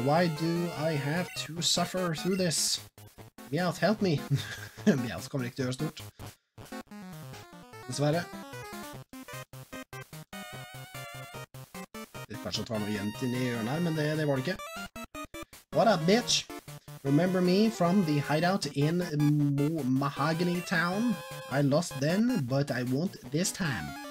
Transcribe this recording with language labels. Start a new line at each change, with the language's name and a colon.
English: Why do I have to suffer through this? Meowth, help me!
Norwegian: Meowth kommer ikke til å gjøre stort. Dessverre. Det er kanskje at det var noe gjemt inn i hjørnet her, men det var det ikke.
English: What up, bitch? Remember me from the hideout in Mahogany Town? I lost then, but I won't this time.